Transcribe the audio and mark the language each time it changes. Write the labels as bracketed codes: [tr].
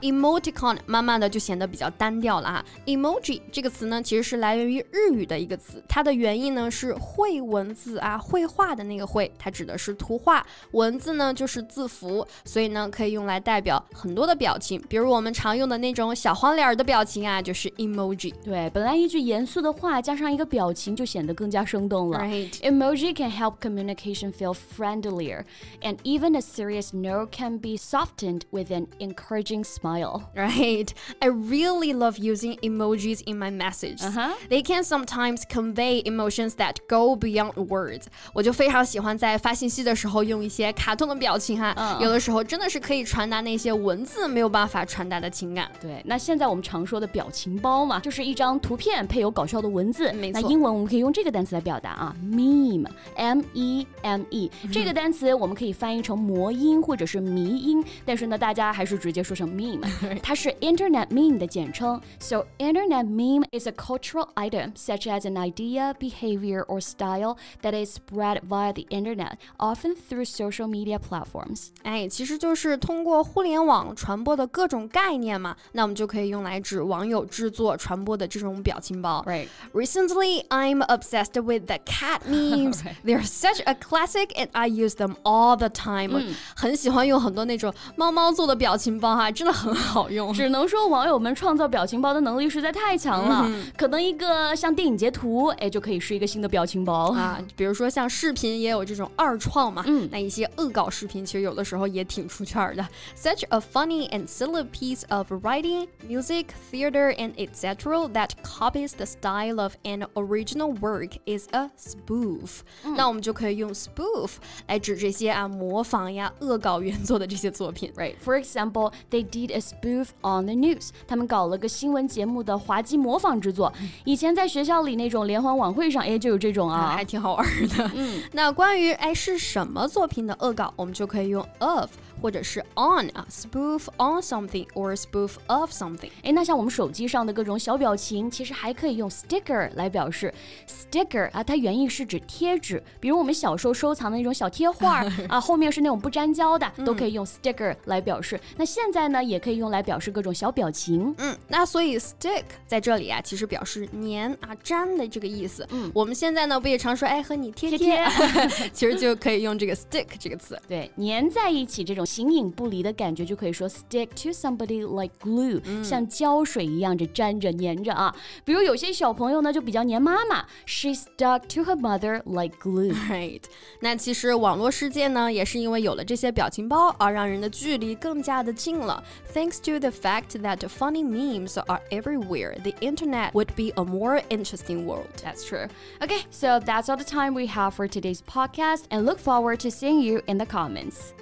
[zh] Emoticon 慢慢的就显得比较单调了哈。Emoji 这个词呢，其实是来源于日语的一个词，它的原意呢是绘文字啊，绘画的那个绘，它指的是图画，文字呢就是字符，所以呢可以用来代表很多的表情，比如我们常用的那种小黄脸的表情啊，就是 emoji。对，本来一句严肃的话加上一个表情就显得更加生动了。 [en] Right. Emoji can help communication feel friendlier, and even a serious no can be softened with an encouraging smile. Right. I really love using emojis in my messages. Uh-huh. They can sometimes convey emotions that go beyond words. [zh] 我就非常喜欢在发信息的时候用一些卡通的表情哈、有的时候真的是可以传达那些文字没有办法传达的情感。对，那现在我们常说的表情包嘛，就是一张图片配有搞笑的文字。没错，那英文我们可以用这个单词来表达啊 ，meme, m e m e、嗯、这个单词我们可以翻译成魔音或者是迷音，但是呢，大家还是直接说成 meme， 它是 Internet meme 的简称。 [en] So Internet meme is a cultural item such as an idea, behavior, or style that is spread via the Internet, often through social media platforms. [zh] 哎，其实就是通过互联网传播的各种概念嘛，那我们就可以用来指网友制作传播的这种表情包。 [en] Right. Recently, I'm obsessed with the cat memes. They're such a classic, and I use them all the time.、嗯、 [zh] 很喜欢用很多那种猫猫做的表情包哈、啊，真的很好用。只能说网友们创造表情包的能力实在太强了。 Mm-hmm. 可能一个像电影截图，哎，就可以是一个新的表情包啊。比如说像视频也有这种二创嘛。嗯。那一些恶搞视频其实有的时候也挺出圈的。 [en] Such a funny and silly piece of writing, music, theater, and etc. that copies the style of an original work is a spoof.、嗯、 [zh] 那我们就可以用 spoof 来指这些啊模仿呀、恶搞原作的这些作品。 [en] Right. For example, they did a spoof on the news. [zh] 他们搞了个新闻节目的滑稽模仿之作。以前在学校里那种联欢晚会上，哎，就有这种 啊，还挺好玩的。嗯。那关于哎是什么作品的恶搞，我们就可以用 of 或者是 on 啊 ， [en] spoof on something or spoof of something。 [zh] 哎，那像我们手机上的各种小表情，其实还可以用 sticker 来表示。 sticker 啊，它原意是指贴纸，比如我们小时候收藏的那种小贴画啊，后面是那种不粘胶的，都可以用 sticker 来表示。那现在呢，也可以用来表示各种小表情。嗯，那所以 stick 在这里啊，其实表示粘啊、粘的这个意思。嗯，我们现在呢，不也常说哎和你贴贴？ 其实就可以用这个 stick 这个词。对，粘在一起这种形影不离的感觉，就可以说 [en] stick to somebody like glue，、嗯、 [zh] 像胶水一样，这粘着粘着啊。比如有些小朋友呢，就比较粘妈妈 ， [en] she stuck to her mother like glue。 Right。 [zh] 那其实网络世界呢，也是因为有了这些表情包而让人的距离更加的近了。 [en] Thanks to the fact that funny memes are everywhere, the internet would be a more interesting world. That's true. Okay, so that's all the time we have for today's podcast, and look forward to seeing you in the comments.